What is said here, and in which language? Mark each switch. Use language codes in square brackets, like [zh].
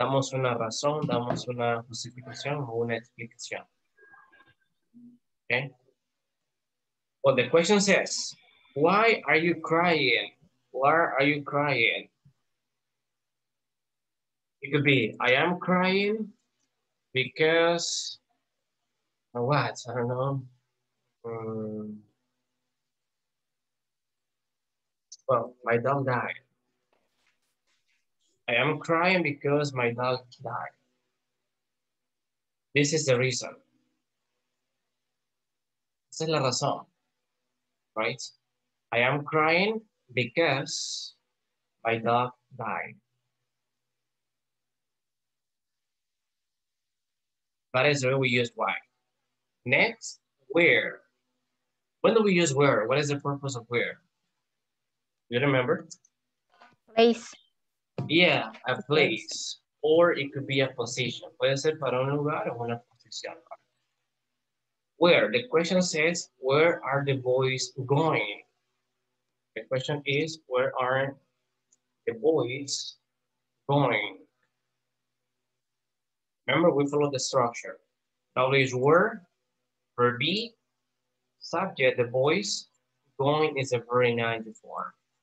[es] Damos una razón, damos una justificación o una explicación. [en] Okay? Well, the question says, why are you crying? Why are you crying? It could be, I am crying because, or what? I don't know. Well, my dog died. I am crying because my dog died. This is the reason. [es] Esa es la razón. [en] Right? I am crying because my dog died. That is where we use why. Next, where. When do we use where? What is the purpose of where? You remember? Place. Yeah, a place. Or it could be a position. [es] Puede ser para un lugar o una posición. [en] Where? The question says, where are the boys going? The question is, where are the boys going? Remember, we follow the structure. W is where, verb be, subject, the boys, going is a very nice form.